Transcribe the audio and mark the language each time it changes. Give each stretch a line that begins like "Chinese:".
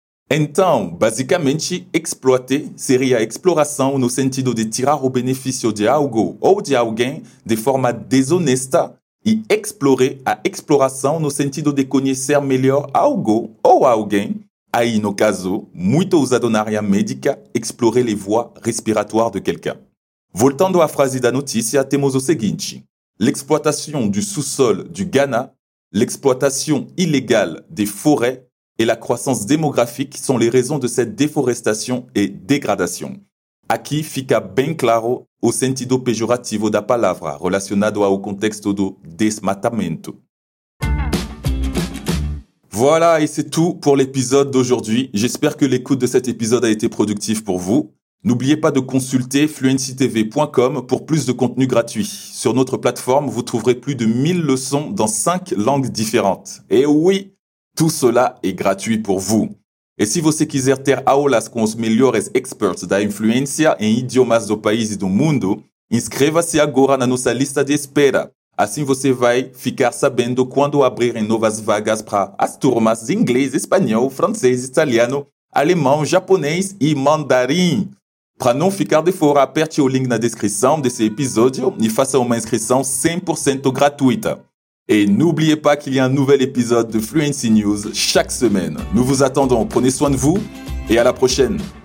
Portuguese: Então, basicamente, exploiter seria exploração no sentido de tirar o benefício de algo ou de alguém de forma desonesta, e explorer a exploração no sentido de conhecer melhor algo ou alguém. Aí, no caso, muito usado na área médica,
French: explorer les voies respiratoires de quelqu'un.
Portuguese: Voltando à frase da notícia, temos o seguinte.
French: L'exploitation du sous-sol du Ghana, l'exploitation illégale des forêts et la croissance démographique sont les raisons de cette déforestation et dégradation.
Portuguese: Aqui fica bem claro o sentido pejorativo da palavra, relacionado ao contexto do desmatamento.
French: Voilà, et c'est tout pour l'épisode d'aujourd'hui. J'espère que l'écoute de cet épisode a été productive pour vous. N'oubliez pas de consulter fluencytv.com pour plus de contenu gratuit. Sur notre plateforme, vous trouverez plus de 1000 leçons dans 5 langues différentes. Et oui, tout cela est gratuit pour vous.
Portuguese: E se você quiser ter aulas com os melhores experts da influência em idiomas do país e do mundo, inscreva-se agora na nossa lista de espera. Assim você vai ficar sabendo quando abrirem novas vagas para as turmas de inglês, espanhol, francês, italiano, alemão, japonês e mandarim. Para não ficar de fora, aperte o link na descrição desse episódio e faça uma inscrição 100% gratuita.
French: E n'oubliez pas qu'il y a un nouvel épisode de Fluency News chaque semaine. Nous vous attendons, prenez soin de vous et à la prochaine.